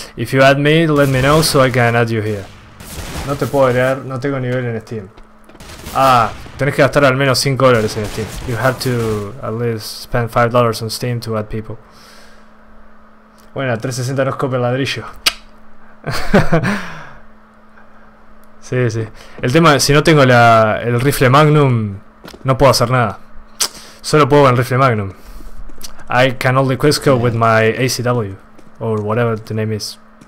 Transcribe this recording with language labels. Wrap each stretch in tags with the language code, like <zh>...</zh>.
<en>If you add me, let me know so I can add you here.</en> <es>No te puedo agregar, no tengo nivel en Steam. Ah, tenés que gastar al menos 5 dólares en Steam.</es> <en>You have to at least spend 5 dollars on Steam to add people.</en> <es>Bueno, 360 no copia el ladrillo. Sí, sí. El tema es, si no tengo el rifle Magnum, no puedo hacer nada. Solo puedo con el rifle Magnum.</es> <en>I can only quizco with my ACW, or whatever the name is.</en>